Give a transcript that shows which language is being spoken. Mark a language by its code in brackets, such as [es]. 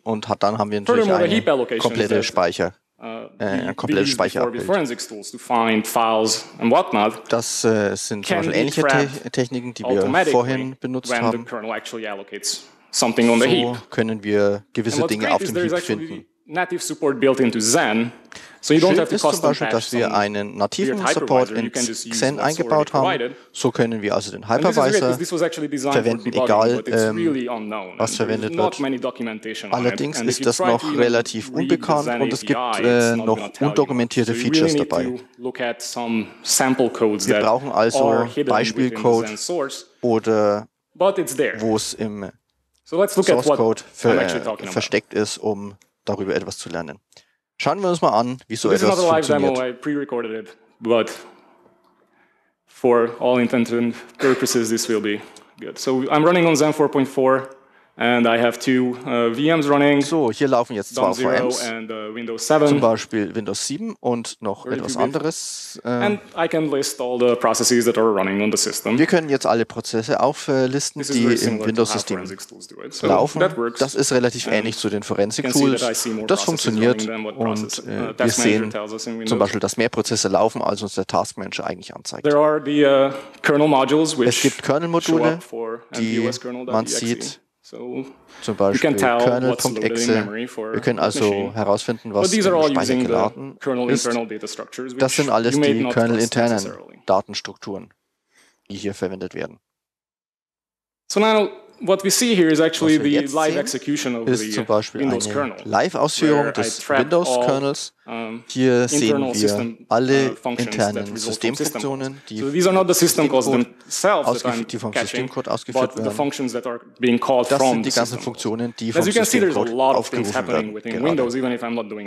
[de] Und dann haben wir natürlich eine komplette Speicher. Komplettes Speicherabbild. Das sind zum Beispiel ähnliche Techniken, die wir vorhin benutzt haben. So können wir gewisse Dinge auf dem Heap finden. [en] Native support built into Xen, so you don't have to custom patch. [de] Dass wir einen nativen Support in Xen eingebaut haben, so können wir also den Hypervisor verwenden, egal was verwendet wird. Allerdings ist das noch relativ unbekannt und es gibt noch undokumentierte Features dabei. Wir brauchen also Beispielcode oder wo es im Sourcecode versteckt ist, um darüber etwas zu lernen. Schauen wir uns mal an, wie so etwas funktioniert. [en] This is not a live demo, I pre-recorded it, but for all intents and purposes, this will be good. So I'm running on Xen 4.4, and I have two VMs running. [de] So, hier laufen jetzt zwei VMs, [en] and, Windows 7, [de] zum Beispiel Windows 7 und noch etwas anderes. [en] And I can list all the processes that are running on the system. [de] Wir können jetzt alle Prozesse auflisten, die im Windows-System laufen. Das ist relativ ähnlich zu den Forensic-Tools. Das funktioniert und wir sehen zum Beispiel, dass mehr Prozesse laufen, als uns der Task Manager eigentlich anzeigt. [en] There are the, kernel modules, which [de] es gibt Kernel-Module, die man sieht. [en] So, [de] zum Beispiel kernel.exe. Wir können also herausfinden, was im Speicher geladen ist. Das sind alles die kernel-internen Datenstrukturen, die hier verwendet werden. [en] So now, what we see here is actually the live execution of [de] ist zum Beispiel eine Live-Ausführung des Windows-Kernels. Hier sehen wir alle internen Systemfunktionen, die vom Systemcode ausgeführt werden. Das sind die ganzen Funktionen, die vom Systemcode aufgerufen werden.